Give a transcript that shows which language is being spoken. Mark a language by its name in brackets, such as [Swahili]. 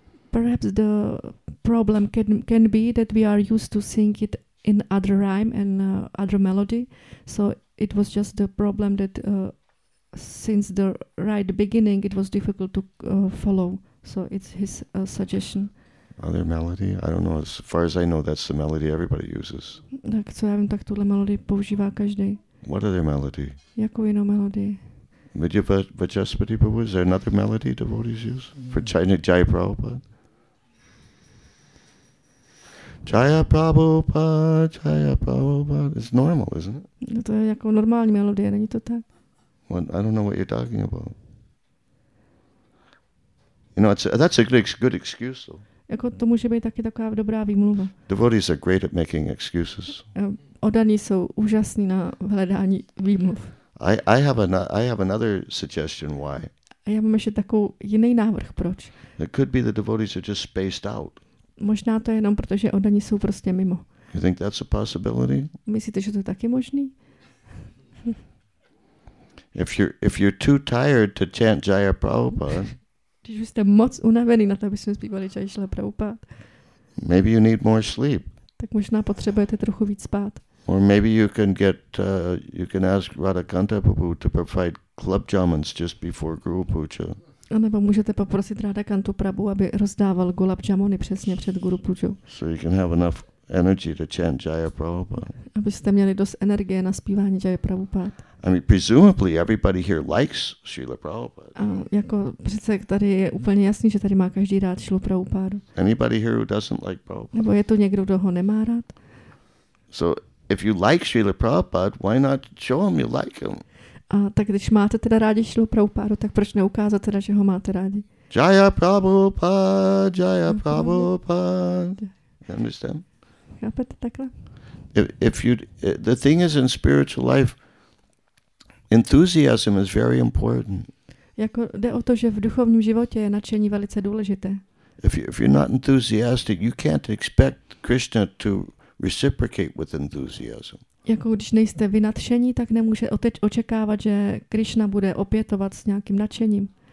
[English] Perhaps the problem can be that we are used to sing it in other rhyme and other melody. So it was just the problem that since the right beginning it was difficult to follow. So it's his suggestion. Other melody? I don't know. As far as I know, that's the melody everybody uses. [Czech] Tak co já vím, tak tuhle melody používá každý. [English] What other melody? [Czech] Jakou jinou melody? [English] Vajaspati Prabhu, is there another melody devotees use? For China Jaya Prabhupada? Jaya Prabhupada, Jaya Prabhupada. It's normal, isn't it? [Czech] To je jako normální melodie, není to tak? [English] Well, I don't know what you're talking about. You know, that's a good excuse, though. [Czech] Jako to může být taky taková dobrá výmluva. [English] Devotees are great at making excuses. [Czech] Odaní jsou úžasní na hledání výmluv. [English] I have another suggestion why. [Czech] Já mám ještě takový jiný návrh, proč. [English] It could be the devotees are just spaced out. [Czech] Možná to je jenom proto, že odaní jsou prostě mimo. [English] You think that's a possibility? [Czech] Myslíte, že to je taky možný? [English] If you're too tired to chant Jaya Prabhupada. [Czech] Když jste moc unavený na to, aby jsme zpívali Jaya Prabhupada. [English] Maybe you need more sleep. [Czech] Tak možná potřebujete trochu víc spát. [English] Or maybe you can ask Radhakanta Prabhu to provide club jamans just before Guru Puja. [Czech] A nebo můžete poprosit Radhakantu Prabhu, aby rozdával gulab jamony přesně před Guru Pujou. [English] So you can have enough energy to chant Jaya Prabhupada. [Czech] Abyste měli dost energie na zpívání Jaya Prabhupada. [English] I mean, presumably everybody here likes Srila Prabhupada. [Czech] A jako přece tady je úplně jasný, že tady má každý rád Srilu Prabhupádu. [English] Anybody here who doesn't like Prabhupada? [Czech] Nebo je to někdo, kdo ho nemá rád? [English] So if you like Srila Prabhupada, why not show him you like him? [Czech] A tak když máte teda rádi Srilu Prabhupádu, tak proč neukázat teda, že ho máte rádi? [English] Jaya Prabhupada, Jaya Prabhupada. You understand? [Czech] Chápete takhle? [English] If you, the thing is in spiritual life, enthusiasm is very important. [Czech] Jako jde o to, že v duchovním životě je nadšení velice důležité. [English] If you're not enthusiastic, you can't expect Krishna to reciprocate with enthusiasm. [Czech] Jako když nejste vy nadšení, tak nemůže očekávat, že Krishna bude opětovat s nějakým nadšením.